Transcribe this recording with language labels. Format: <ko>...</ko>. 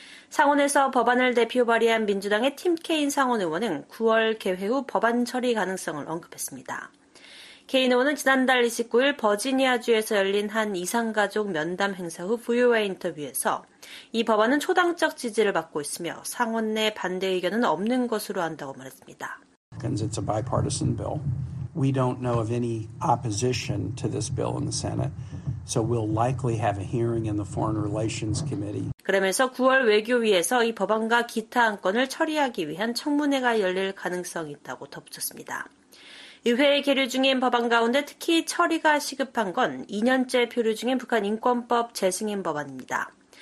<ko>상원에서 법안을 대표 발의한 민주당의 팀케인 상원 의원은 9월 개회 후 법안 처리 가능성을 언급했습니다. 케인 의원은 지난달 29일 버지니아주에서 열린 한 이상가족 면담 행사 후 VOA 인터뷰에서 이 법안은 초당적 지지를 받고 있으며 상원 내 반대 의견은 없는 것으로 안다고 말했습니다.</ko> <en>It's a bipartisan bill. We don't know of any opposition to this bill in the Senate. So we'll likely have a hearing in the Foreign Relations Committee.</en> <ko>그러면서 9월 외교위에서 이 법안과 기타 안건을 처리하기 위한 청문회가 열릴 가능성이 있다고 덧붙였습니다. 의회에 계류 중인 법안 가운데 특히 처리가 시급한 건 2년째 표류 중인 북한 인권법 재승인 법안입니다.</ko>